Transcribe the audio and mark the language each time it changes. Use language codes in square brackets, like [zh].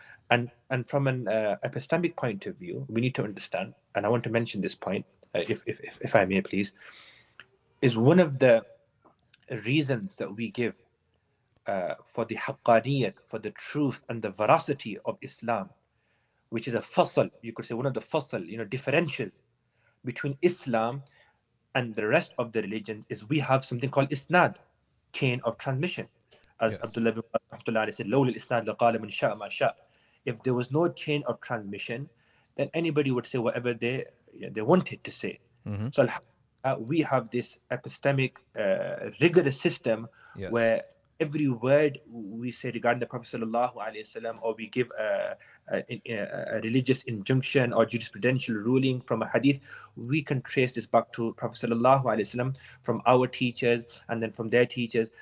[en] And from an epistemic point of view, we need to understand, and I want to mention this point, if I may please, is one of the reasons that we give for the haqqaniyat, for the truth and the veracity of Islam, which is a fasal, you could say one of the fasal, differentials between Islam and the rest of the religion, is we have something called isnad, chain of transmission. As Abdullah ibn Abdullah said, [ar] لَوْلِ الْإِسْنَادِ لَقَالَ مَنْ شَاءَ مَا شَاءَ. [en] If there was no chain of transmission, then anybody would say whatever they wanted to say. Mm-hmm. So we have this epistemic, rigorous system where every word we say regarding the Prophet sallallahu alaihi wasallam, or we give a religious injunction or jurisprudential ruling from a hadith, we can trace this back to Prophet sallallahu alaihi wasallam, from our teachers and then from their teachers.